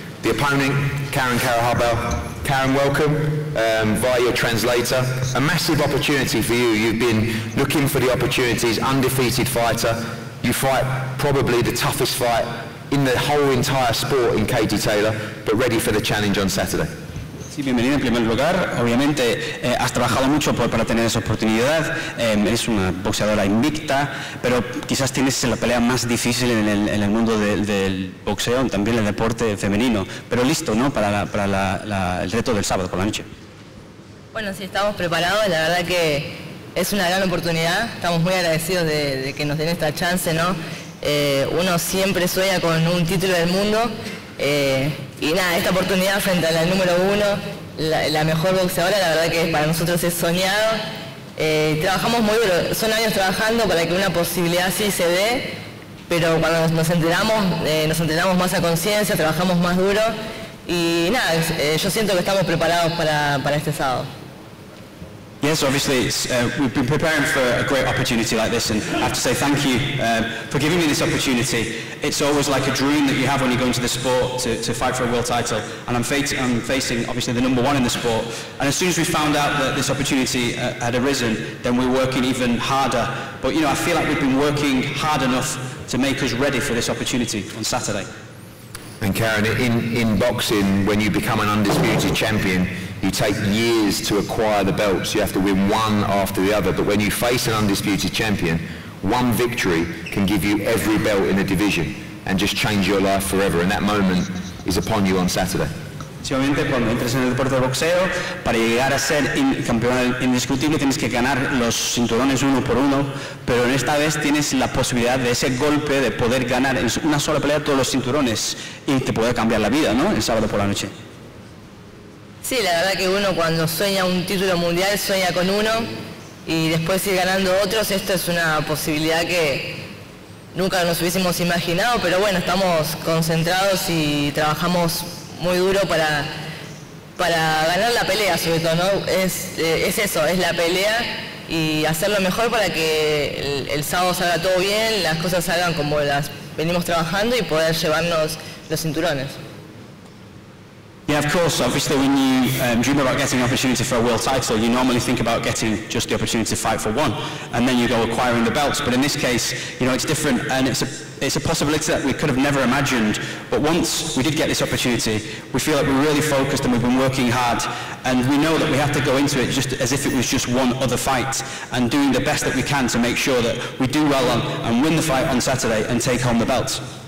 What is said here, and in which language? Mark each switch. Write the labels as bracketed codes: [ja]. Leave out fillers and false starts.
[en] The opponent, Karen Carabajal. Karen, welcome via your translator. A massive opportunity for you. You've been looking for the opportunities, undefeated fighter. You fight probably the toughest fight in the whole entire sport in Katie Taylor, but ready for the challenge on Saturday. [es] Sí, bienvenida en primer lugar. Obviamente has trabajado mucho para tener esa oportunidad. Eres una boxeadora invicta, pero quizás tienes la pelea más difícil en el mundo del boxeo, también el deporte femenino. Pero listo, ¿no? Para el reto del sábado por la noche. Bueno, sí, estamos preparados. La verdad que es una gran oportunidad. Estamos muy agradecidos de que nos den esta chance, ¿no? Uno siempre sueña con un título del mundo. Y nada, esta oportunidad frente a la número uno, la mejor boxeadora, la verdad que para nosotros es soñado. Trabajamos muy duro, son años trabajando para que una posibilidad sí se dé, pero cuando nos entrenamos más a conciencia, trabajamos más duro. Y nada, yo siento que estamos preparados para este sábado. [en] Yes, obviously, we've been preparing for a great opportunity like this, and I have to say thank you for giving me this opportunity. It's always like a dream that you have when you go into the sport to fight for a world title, and I'm facing, obviously, the number one in the sport. And as soon as we found out that this opportunity had arisen, then we're working even harder. But, you know, I feel like we've been working hard enough to make us ready for this opportunity on Saturday. And Karen, in boxing, when you become an undisputed champion, you take years to acquire the belts. You have to win one after the other. But when you face an undisputed champion, one victory can give you every belt in a division and just change your life forever. And that moment is upon you on Saturday. [es] Obviamente, cuando entres en el deporte de boxeo, para llegar a ser campeón indiscutible tienes que ganar los cinturones uno por uno, pero en esta vez tienes la posibilidad de ese golpe de poder ganar en una sola pelea todos los cinturones y te puede cambiar la vida, ¿no? El sábado por la noche. Sí, la verdad que uno cuando sueña un título mundial sueña con uno y después ir ganando otros, esto es una posibilidad que nunca nos hubiésemos imaginado, pero bueno, estamos concentrados y trabajamos muy duro para ganar la pelea, sobre todo, ¿no? Es eso, es la pelea y hacer lo mejor para que el sábado salga todo bien, las cosas salgan como las venimos trabajando y poder llevarnos los cinturones. [en] Yeah, of course. Obviously, when you dream about getting an opportunity for a world title, you normally think about getting just the opportunity to fight for one, and then you go acquiring the belts. But in this case, you know, it's different, and it's a possibility that we could have never imagined. But once we did get this opportunity, we feel like we're really focused and we've been working hard, and we know that we have to go into it just as if it was just one other fight, and doing the best that we can to make sure that we do well and win the fight on Saturday and take home the belts.